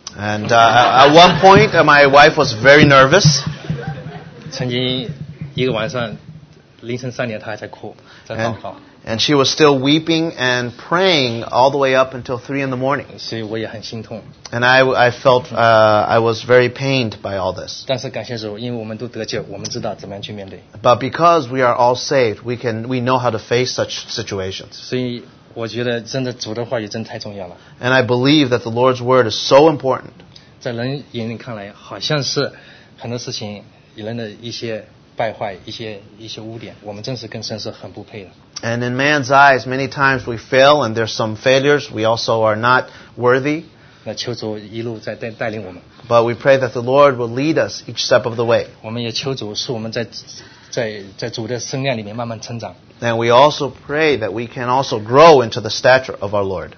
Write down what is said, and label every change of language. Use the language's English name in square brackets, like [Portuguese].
[English] And at one point, my wife was very nervous. [Chinese] 曾经一个晚上，凌晨3点，她还在哭，在祷告。 [English] And she was still weeping and praying all the way up until 3 in the morning. [Chinese] 所以我也很心痛。 [English] And I felt I was very pained by all this. [Chinese] 但是感谢主，因为我们都得救，我们知道怎么样去面对。 [English] But because we are all saved, we know how to face such situations. [Chinese] 所以我觉得真的主的话语真太重要了。 [English] And I believe that the Lord's word is so important. [Chinese] 在人眼里看来，好像是很多事情人的一些败坏，一些污点，我们真是跟神是很不配的。 [English] And in man's eyes, many times we fail and there's some failures. We also are not worthy. But we pray that the Lord will lead us each step of the way. And we also pray that we can also grow into the stature of our Lord.